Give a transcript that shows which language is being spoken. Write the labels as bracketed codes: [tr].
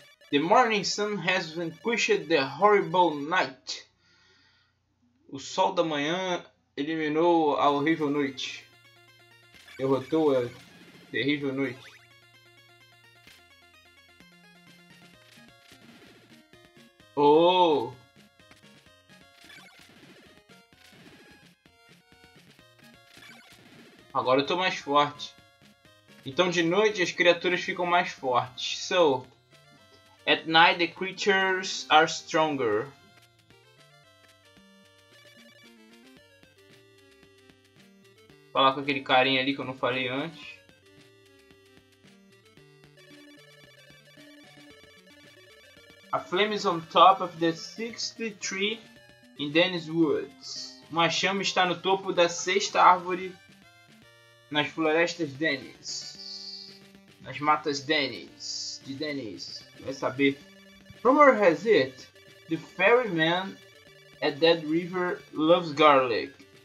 [en] The morning sun has vanquished the horrible night. [pt] O sol da manhã eliminou a horrível noite. Derrotou a terrível noite. Oh! Agora eu tô mais forte. Então de noite as criaturas ficam mais fortes. So... [en] At night, the creatures are stronger. [pt] Wow. falar com aquele carinha ali que eu não falei antes. [en] A Flame is on top of the 63 in Dennis Woods. [pt] Uma chama está no topo da sexta árvore nas florestas Dennis. Nas matas Dennis. De Dennis. Vai saber. [en] Rumor has it, the ferryman at Dead River loves garlic.